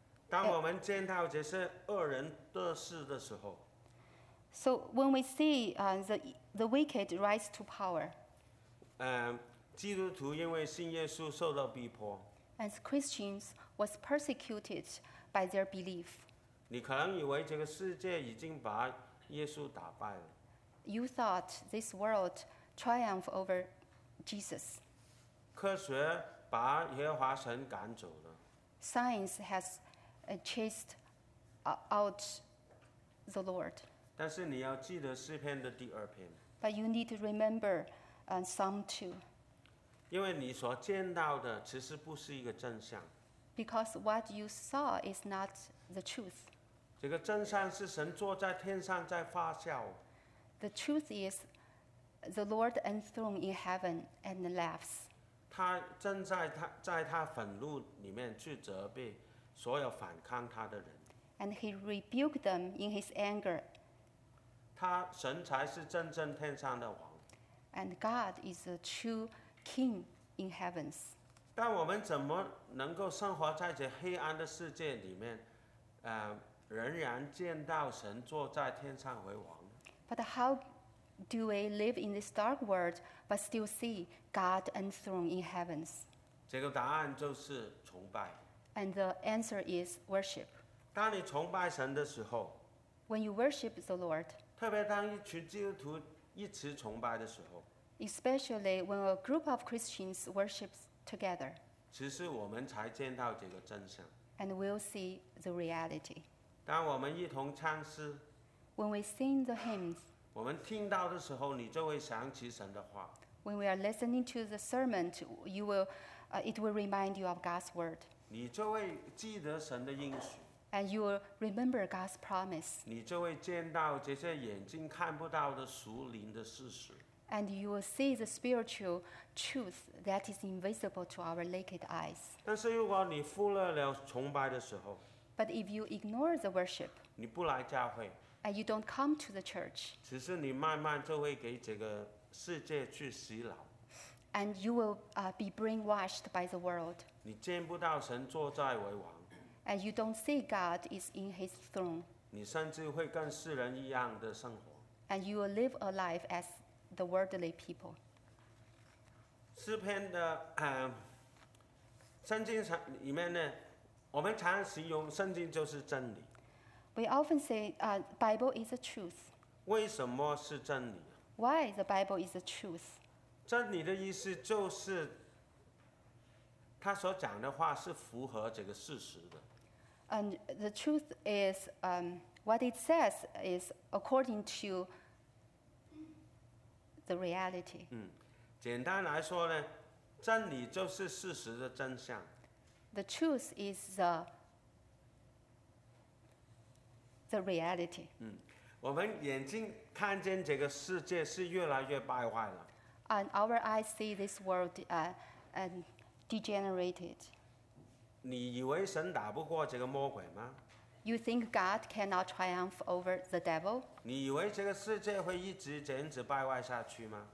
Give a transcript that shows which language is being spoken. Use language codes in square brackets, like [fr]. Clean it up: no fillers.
[zh] 当我们见到这些恶人得势的时候。 [en] So when we see the wicked rise to power. [zh] 基督徒因为信耶稣受到逼迫。 [en] As Christians was persecuted by their belief. [zh] 你可能以为这个世界已经把耶稣打败了。 [en] You thought this world triumphed over Jesus. [zh] 科学把耶和华神赶走了。 [en] Science has chased out the Lord. [zh] 但是你要记得诗篇的第二篇。 [en] But you need to remember Psalm 2. [zh] 因为你所见到的其实不是一个真相。 [en] Because what you saw is not the truth. [zh] 这个真相是神坐在天上在发笑。 [en] The truth is the Lord enthroned in heaven and laughs. [zh] 他正在他愤怒里面去责备所有反抗他的人。 [en] And he rebuked them in his anger. [zh] 他神才是真正天上的王。 [en] And God is the true King in heavens. [zh] 但我们怎么能够生活在这黑暗的世界里面，仍然见到神坐在天上为王？ [en] But how do we live in this dark world but still see God enthroned in heavens? [zh] 这个答案就是崇拜。 [en] And the answer is worship. [zh] 当你崇拜神的时候， [en] When you worship the Lord, [zh] 特别当一群基督徒一起崇拜的时候。 [en] Especially when a group of Christians worship together. [zh] 其实我们才见到这个真相。 [en] And we'll see the reality. [zh] 当我们一同唱诗， [en] when we sing the hymns， [zh] 我们听到的时候，你就会想起神的话。 [en] When we are listening to the sermon, you will,、it will remind you of God's word. [zh] 你就会记得神的应许。 [en] And you will remember God's promise. [zh] 你就会见到这些眼睛看不到的属灵的事实。 [en] And you will see the spiritual truth that is invisible to our naked eyes. [zh] 但是如果你忽略了崇拜的时候， [en] But if you ignore the worship, [zh] 你不来教会， [en] And you don't come to the church, [zh] 只是你慢慢就会给这个世界去洗脑。 [en] And you will be brainwashed by the world. [zh] 你见不到神坐在为王。 [en] And you don't see God is in his throne. [zh] 你甚至会跟世人一样的生活。 [en] And you will live a life as the worldly people. [zh] 诗篇的圣经里面呢，我们常形容圣经就是真理。 [en] We often say Bible is the truth. [zh] 为什么是真理？ [en] Why the Bible is the truth? [zh] 真理的意思就是他所讲的话是符合这个事实的。 [en] And the truth is what it says is according to the reality. [zh] 简单来说呢，真理就是事实的真相。 [en] The truth is the reality. [zh] 我们眼睛看见这个世界是越来越败坏了。 [en] And our eyes see this world and degenerated. [zh] 你以为神打不过这个魔鬼吗？ [en] You think God cannot triumph over the devil? [zh] 你以为这个世界会一直这样子败坏下去吗？